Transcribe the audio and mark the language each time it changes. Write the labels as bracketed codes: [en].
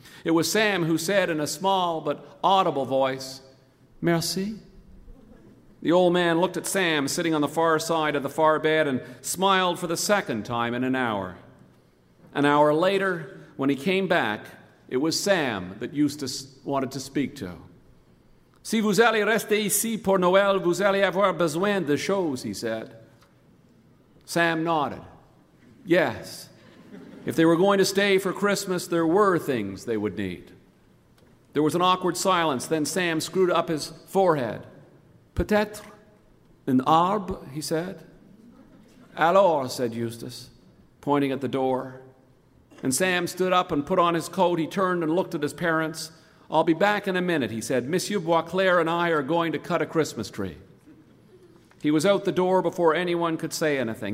[en] It was Sam who said in a small but audible voice, Merci. The old man looked at Sam sitting on the far side of the far bed and smiled for the second time in an hour. An hour later, when he came back, it was Sam that Eustace wanted to speak to. [fr] Si vous allez rester ici pour Noël, vous allez avoir besoin de choses, [en] he said. Sam nodded. Yes. If they were going to stay for Christmas, there were things they would need. There was an awkward silence. Then Sam screwed up his forehead. [fr] Peut-être un arbre, [en] he said. Alors, said Eustace, pointing at the door. And Sam stood up and put on his coat. He turned and looked at his parents. I'll be back in a minute, he said. Monsieur Boisclair and I are going to cut a Christmas tree. He was out the door before anyone could say anything.